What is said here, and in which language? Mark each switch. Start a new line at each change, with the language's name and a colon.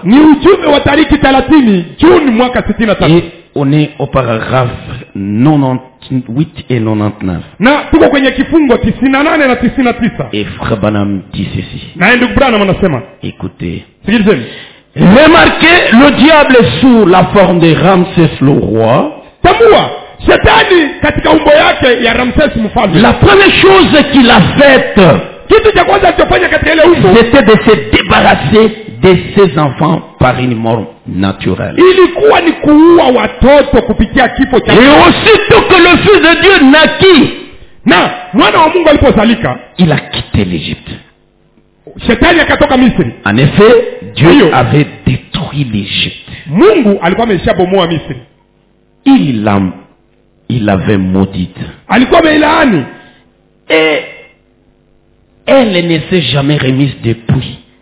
Swahili: Ni ujumbe wa tariki 30 Juni mwaka 63.
French: Et on est au paragraphe 98 et 99.
Swahili: Na tuko kwenye kifungo 98 na 99.
French: Et Baba nam dit ceci.
Swahili: Na ndugu bwana anasema.
French: Écoutez.
Swahili: Sikilizeni.
French: Remarquez le diable sous la forme de Ramsès le roi.
Swahili: Tambua. Shetani katika umbo yake ya Ramsès mfalme.
French: La première chose qu'il a faite,
Swahili: kitu cha kwanza alichofanya katika ile umbo,
French: c'était de se débarrasser de ses enfants par une mort naturelle.
Swahili: Ilikuwa ni kuua watoto kupitia kifo cha.
French: Et aussitôt que le fils de Dieu naquit,
Swahili: na mwana wa Mungu alipozalika,
French: il a quitté l'Égypte.
Swahili: Shetani akatoka Misri.
French: En effet, Dieu avait détruit l'Égypte.
Swahili: Mungu alikuwa ameshabomoa Misri.
French: Il l'avait maudite.
Swahili: Alikuwa amelaani.
French: Et elle ne s'est jamais remise depuis.